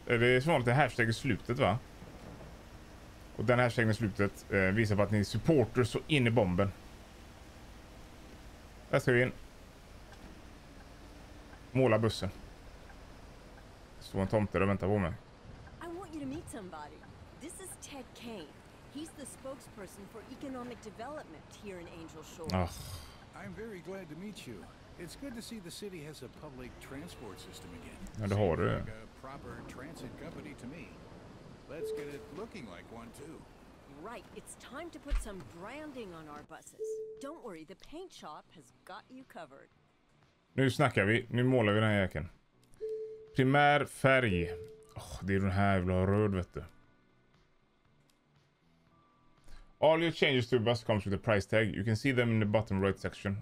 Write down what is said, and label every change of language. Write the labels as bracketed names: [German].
[Swedish] Det är som vanligt en hashtag i slutet, va? Och den hashtaggen i slutet visar på att ni är supporters och in i bomben. Där ska vi in. Måla bussen. Står en tomte och väntar på mig. [English] I want you to meet somebody. This is Ted Kane. He's the spokesperson for economic development here in Angel Shores. I'm very glad to meet you. It's good to see the city has a public transport system again. [Swedish] Ja, det har du. [English] Like a proper transit company to me. Let's get it looking like one too. Right, it's time to put some branding on our buses. Don't worry, the paint shop has got you covered. [Swedish] Nu snackar vi. Nu målar vi den här jäken. Primär färg. Åh, det är den här jag vill ha röd, vet du. [English] All your changes to bus comes with a price tag. You can see them in the bottom right section.